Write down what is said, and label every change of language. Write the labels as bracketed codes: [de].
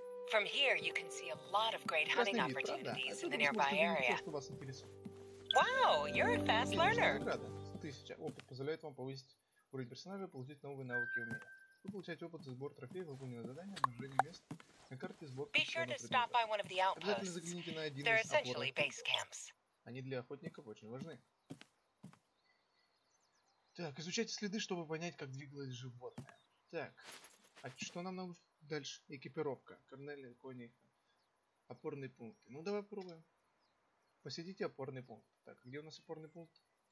[en] From here you can see a lot of great hunting opportunities in the nearby area. Wow, you're a fast learner. [ru] 1000 опыт позволяет вам повысить уровень персонажа, получить новые навыки и умения. Вы получаете опыт за сбор трофеев, выполнение задания, обнаружение мест. [en] Be sure to stop by one of the outposts. They're essentially base camps. [ru] Они для охотников очень важны. Так, изучайте следы, чтобы понять, как двигалось животное. Так, а что нам нужно дальше? Экипировка. Корнели, кони, опорные пункты. Ну, давай попробуем. Посетите опорный пункт. Так, где у нас опорный пункт?